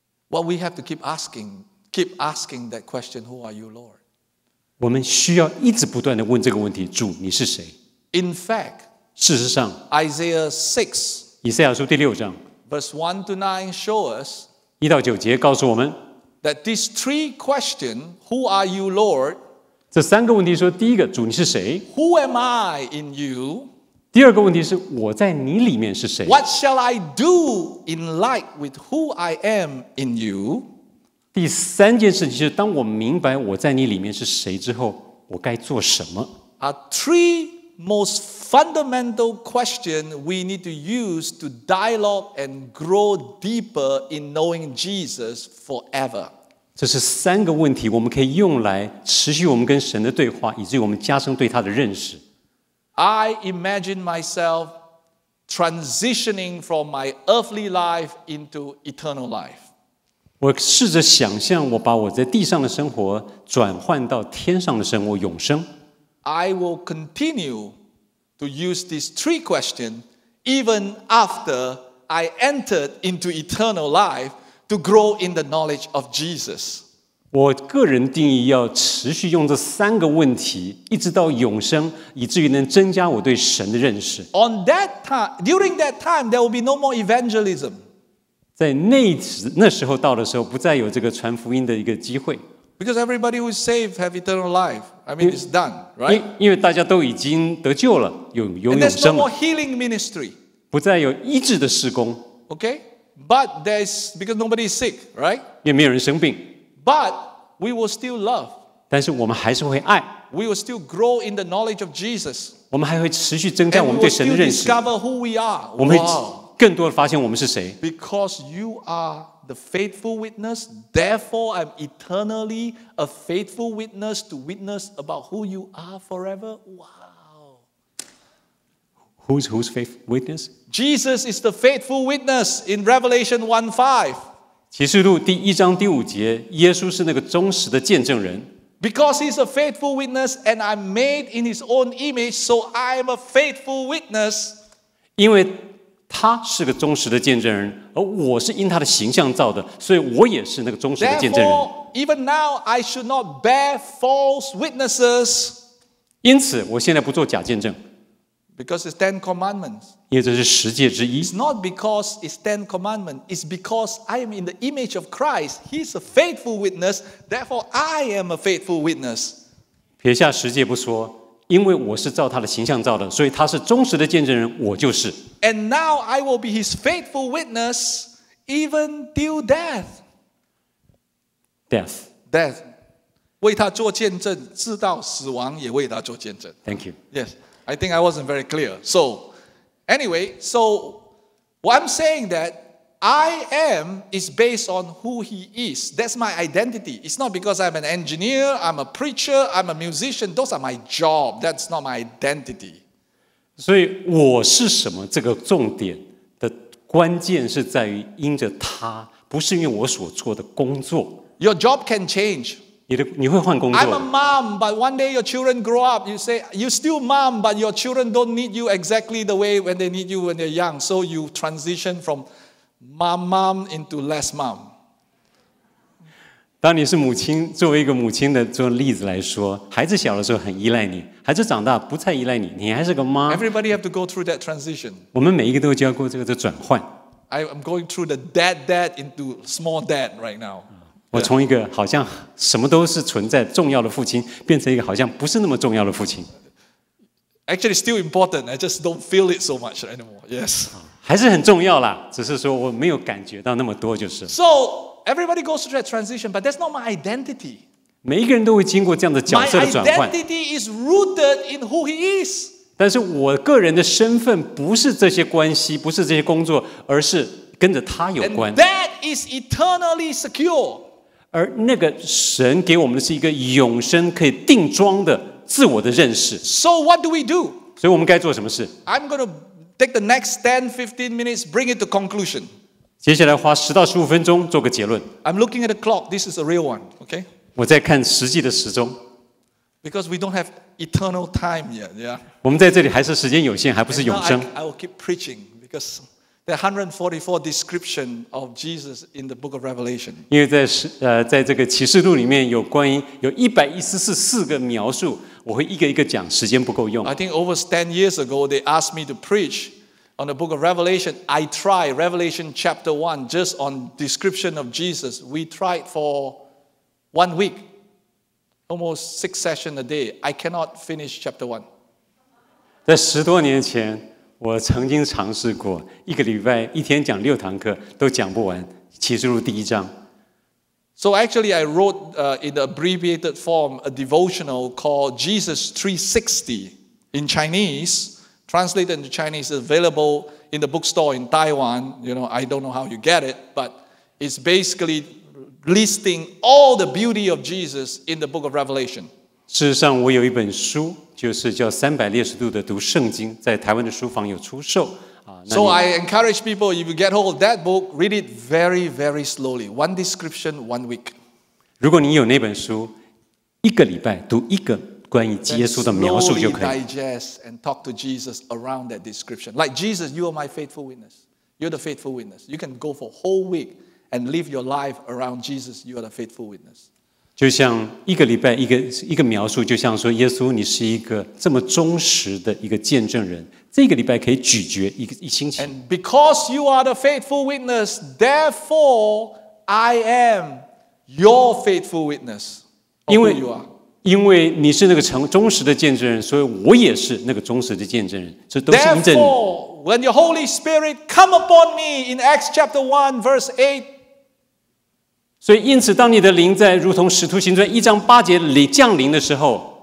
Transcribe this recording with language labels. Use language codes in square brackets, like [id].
[en] Well, we have to keep asking that question, Who are you, Lord? [zh] 我们需要一直不断地问这个问题，主你是谁？ [en] In fact, [zh] 事实上， [en] Isaiah 6, [zh] 以赛亚书第六章， [en] verse 1 to 9 show us, [zh] 一到九节告诉我们， [en] that these three questions, who are you, Lord? [zh] 这三个问题说，第一个，主你是谁？ [en] Who am I in you? [zh] 第二个问题是，我在你里面是谁？ [en] What shall I do in light with who I am in you? [zh] 第三件事情是，当我明白我在你里面是谁之后，我该做什么？ [en] Are three most fundamental questions we need to use to dialogue and grow deeper in knowing Jesus forever. [zh] 这是三个问题，我们可以用来持续我们跟神的对话，以至于我们加深对他的认识。 [en] I imagine myself transitioning from my earthly life into eternal life. [zh] 我试着想象，我把我在地上的生活转换到天上的生活，永生。 [en] I will continue to use these three questions even after I entered into eternal life to grow in the knowledge of Jesus. [zh] 我个人定义要持续用这三个问题，一直到永生，以至于能增加我对神的认识。 [en] On that time, during that time, there will be no more evangelism. [zh] 在那时候到的时候，不再有这个传福音的一个机会。 [en] Because everybody who is saved have eternal life. I mean, it's done, right? [zh] 因为大家都已经得救了，有永生了。 [en] And there's no more healing ministry. [zh] 不再有医治的事工。 [en] Okay? But there's because nobody is sick, right? [zh] 也没有人生病。 [en] But we will still love. [zh] 但是我们还是会爱。 [en] We will still grow in the knowledge of Jesus. [zh] 我们还会持续增加我们对神的认识。 [en] And we will discover who we are. [zh] 我们会更多的发现我们是谁。 [en] Because you are the faithful witness, therefore I'm eternally a faithful witness to witness about who you are forever. Wow. Who's faith witness? Jesus is the faithful witness in Revelation 1:5. [zh] 启示录第一章第五节，耶稣是那个忠实的见证人。 [en] Because he's a faithful witness and I'm made in his own image, so I'm a faithful witness. [zh] 因为他是个忠实的见证人，而我是因他的形象造的，所以我也是那个忠实的见证人。 [en] Therefore, even now, I should not bear false witnesses. [zh] 因此，我现在不做假见证。 [en] Because it's Ten Commandments. [zh] 因为这是十诫之一。 [en] It's not because it's Ten Commandments. It's because I am in the image of Christ. He's a faithful witness. Therefore, I am a faithful witness. [zh] 撇下十诫不说，因为我是照他的形象造的，所以他是忠实的见证人，我就是。 [en] And now I will be his faithful witness even till death. Death. Death. [zh] 为他做见证，直到死亡也为他做见证。 [en] Thank you. Yes. I think I wasn't very clear. So, anyway, so what I'm saying that I am is based on who he is. That's my identity. It's not because I'm an engineer, I'm a preacher, I'm a musician. Those are my job. That's not my identity. [zh] 所以我是什么？这个重点的关键是在于因着他，不是因为我所做的工作。 [en] Your job can change. [zh] 你会换工作。 [en] I'm a mom, but one day your children grow up. You say, you're still mom, but your children don't need you exactly the way when they need you when they're young. So you transition from mom into less mom. [zh] 当你是母亲，作为一个母亲的做例子来说，孩子小的时候很依赖你，孩子长大不太依赖你，你还是个妈。 [en] Everybody have to go through that transition. [zh] 我们每一个都要过这个的转换。 [en] I'm going through the dad into small dad right now. [zh] 我从一个好像什么都是存在重要的父亲，变成一个好像不是那么重要的父亲。 [en] Actually, still important. I just don't feel it so much anymore. Yes. [zh] 还是很重要啦，只是说我没有感觉到那么多就是。 [en] So everybody goes through that transition, but that's not my identity. [zh] 每一个人都会经过这样的角色的转换。 [en] My identity is rooted in who he is. [zh] 但是我个人的身份不是这些关系，不是这些工作，而是跟着他有关。 [en] And that is eternally secure. [zh] 而那个神给我们的是一个永生可以定装的自我的认识。 [en] So what do we do? [zh] 所以我们该做什么事？ [en] I'm going to take the next 10-15 minutes, bring it to conclusion. [zh] 接下来花10到15分钟做个结论。 [en] I'm looking at the clock, this is a real one, okay? [zh] 我在看实际的时钟。 [en] Because we don't have eternal time yet, yeah? [zh] 我们在这里还是时间有限，还不是永生。 [en] I will keep preaching, because... The 144 description of Jesus in the book of Revelation. [zh] 因为在这个启示录里面有关于有114个描述，我会一个一个讲，时间不够用。 [en] I think over 10 years ago, they asked me to preach on the book of Revelation. I tried Revelation chapter 1 just on description of Jesus. We tried for 1 week, almost 6 sessions a day. I cannot finish chapter 1. [zh] 在十多年前。我曾经尝试过一个礼拜一天讲六堂课都讲不完启示录第一章。 [en] So actually I wrote in the abbreviated form a devotional called Jesus 360 in Chinese, translated into Chinese, available in the bookstore in Taiwan. You know, I don't know how you get it, but it's basically listing all the beauty of Jesus in the book of Revelation. [zh] 事实上我有一本书就是叫360度的读圣经，在台湾的书房有出售。 [en] So I encourage people, if you get hold of that book, read it very, very slowly. One description, 1 week. [zh] 如果你有那本书，一个礼拜读一个关于耶稣的描述就可以。 [en] Slowly digest and talk to Jesus around that description. Like Jesus, you are my faithful witness. You're the faithful witness. You can go for a whole week and live your life around Jesus. You are the faithful witness. [zh] 就像一个礼拜一个描述，就像说耶稣，你是一个这么忠实的一个见证人。这个礼拜可以咀嚼一星期。 [en] And because you are the faithful witness, therefore I am your faithful witness. [zh] 因为你是那个忠实的见证人，所以我也是那个忠实的见证人。这都是印证。 [en] Therefore, When the Holy Spirit come upon me in Acts chapter 1 verse 8. [zh] 所以因此当你的灵在如同使徒行传一章八节里降临的时候，